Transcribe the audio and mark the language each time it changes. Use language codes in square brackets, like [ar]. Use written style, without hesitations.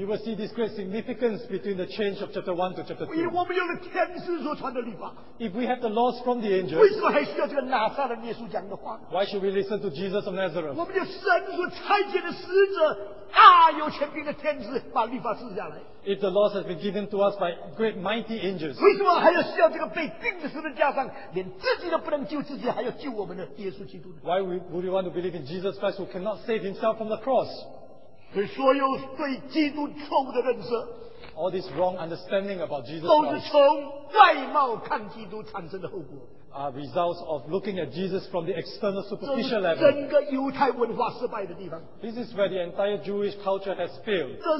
[en] You will see this great significance between the change of chapter 1 to chapter 2. [zh] 因为我们有了天使所传的律法， [en] If we have the laws from the angels, [zh] 为什么还需要这个拿撒勒耶稣讲的话？ [en] Why should we listen to Jesus of Nazareth? [zh] 神所差遣的使者，大有权柄的天使把律法赐下来。 [en] If the laws have been given to us by great mighty angels, [zh] 为什么还要需要这个被钉子上的架上，连自己都不能救自己，还要救我们的耶稣基督呢？ [en] Why would you want to believe in Jesus Christ who cannot save himself from the cross? [zh] 所有对基督错误的认识， [en] all this wrong understanding about Jesus Christ, [zh] 都是从外貌看基督产生的后果。 [en] Are results of looking at Jesus from the external superficial level. [zh] 这是整个犹太文化失败的地方。 [en] This is where the entire Jewish culture has failed.